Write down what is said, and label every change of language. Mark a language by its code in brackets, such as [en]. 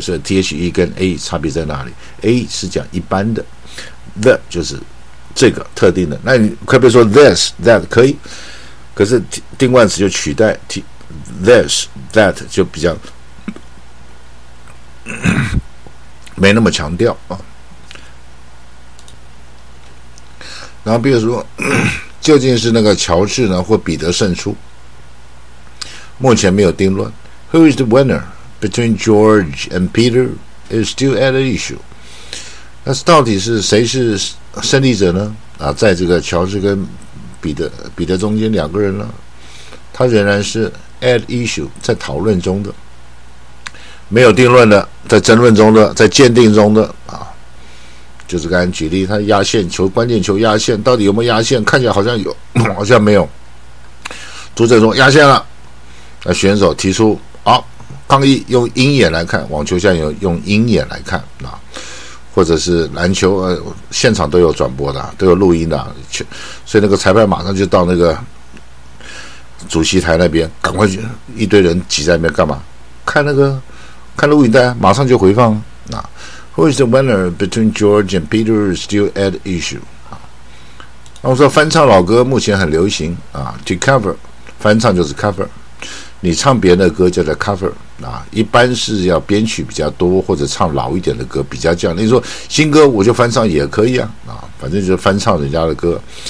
[zh] 所以 THE 跟 A 差别在哪里？A 是讲一般的， The 就是这个特定的。那你可别说 this that 可以，可是定冠词就取代 this that 就比较没那么强调啊。然后比如说究竟是那个乔治呢或彼得胜出，目前没有定论。 [en] Who is the winner between George and Peter is still at an issue。 [zh] 那到底是谁是胜利者呢啊，在这个乔治跟彼得中间两个人呢，他仍然是 [en] at issue， [zh] 在讨论中的，没有定论的，在争论中的，在鉴定中的啊。就是刚才举例他压线球，关键球压线到底有没有压线，看起来好像有好像没有，读者说压线了，那选手提出啊抗议，用鹰眼来看网球，像有用鹰眼来看啊，或者是篮球现场都有转播的，都有录音的，所以那个裁判马上就到那个主席台那边，赶快一堆人挤在那边干嘛，看那个看录音带，马上就回放啊。 [en] Who is the winner between George and Peter is still at issue。 [zh] 那我说翻唱老歌目前很流行啊， [en] To cover， [zh] 翻唱就是 cover， 你唱别人的歌叫做 cover 啊，一般是要编曲比较多或者唱老一点的歌比较这样。你说新歌我就翻唱也可以啊，啊反正就是翻唱人家的歌。